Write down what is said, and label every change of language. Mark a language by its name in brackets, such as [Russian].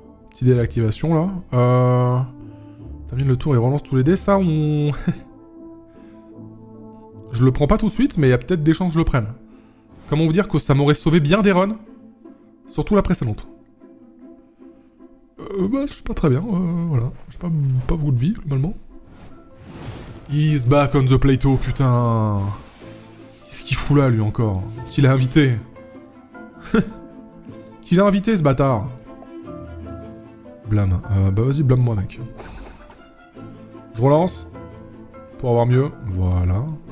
[French] Petit dé à l'activation là. Termine le tour et relance tous les dés. Ça, on. Je le prends pas tout de suite, mais il y a peut-être des chances que je le prenne. Comment vous dire que ça m'aurait sauvé bien des runs. Surtout la précédente. Bah, je suis pas très bien. Voilà. J'ai pas beaucoup de vie, globalement. [English] He's back on the plateau, putain. [French] Qu'est-ce qu'il fout là, lui, encore? Qui l'a invité? Qui l'a invité, ce bâtard? Blâme. Bah vas-y, blâme-moi, mec. Je relance. Pour avoir mieux. Voilà.